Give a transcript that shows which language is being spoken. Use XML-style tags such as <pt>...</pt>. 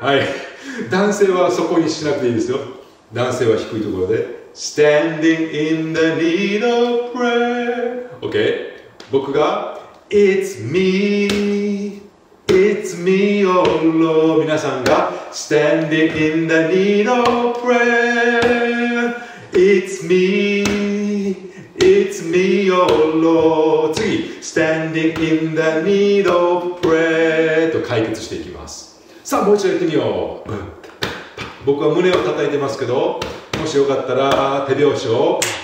<ja>はい、男性はそこにしなくていいですよ。男性は低いところで</ja> <en>Standing in the need of prayer。 OK、</en> <ja>僕が</ja> <en>It's me, it's me, oh Lord。</en> <ja>皆さんが</ja> <en>Standing in the need of prayer。 It's me, it's me, oh Lord。</en> <ja>次</ja> <en>Standing in the need of prayer</en> <ja>と解決していきます。さあもう一度やってみよう。僕は胸を叩いてますけど、もしよかったら手拍子を。</ja>